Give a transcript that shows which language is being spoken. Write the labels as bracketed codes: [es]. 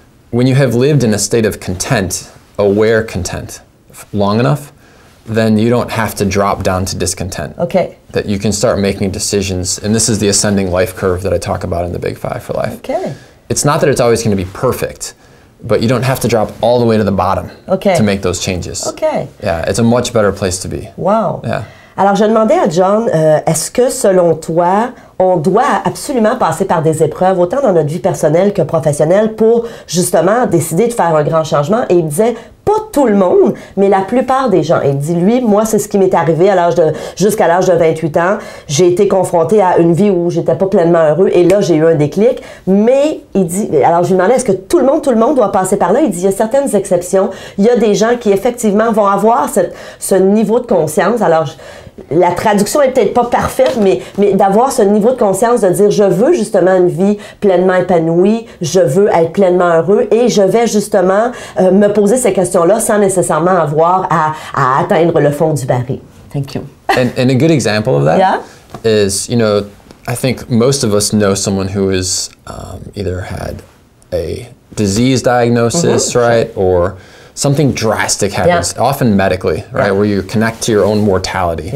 [en] When you have lived in a state of content, aware content, long enough, then you don't have to drop down to discontent. Okay. That you can start making decisions, and this is the ascending life curve that I talk about in the Big Five for Life. Okay. It's not that it's always gonna be perfect, but you don't have to drop all the way to the bottom okay. to make those changes. Okay. Yeah, it's a much better place to be. Wow. Yeah. [fr] Alors, je demandais à John, est-ce que selon toi, on doit absolument passer par des épreuves, autant dans notre vie personnelle que professionnelle, pour justement décider de faire un grand changement? Et il disait, pas tout le monde, mais la plupart des gens. Et il dit, lui, moi, c'est ce qui m'est arrivé à l'âge de, jusqu'à l'âge de 28 ans. J'ai été confronté à une vie où j'étais pas pleinement heureux et là, j'ai eu un déclic. Mais il dit, alors je lui demandais, est-ce que tout le monde doit passer par là? Il dit, il y a certaines exceptions. Il y a des gens qui, effectivement, vont avoir ce niveau de conscience. Alors, la traduction est peut-être pas parfaite, mais d'avoir ce niveau de conscience, de dire, je veux justement une vie pleinement épanouie, je veux être pleinement heureux et je vais justement me poser ces questions-là sans nécessairement avoir à atteindre le fond du baril. [en] Thank you. And a good example of that is, you know, I think most of us know someone who has either had a disease diagnosis, right, or something drastic happens, often medically, right, where you connect to your own mortality.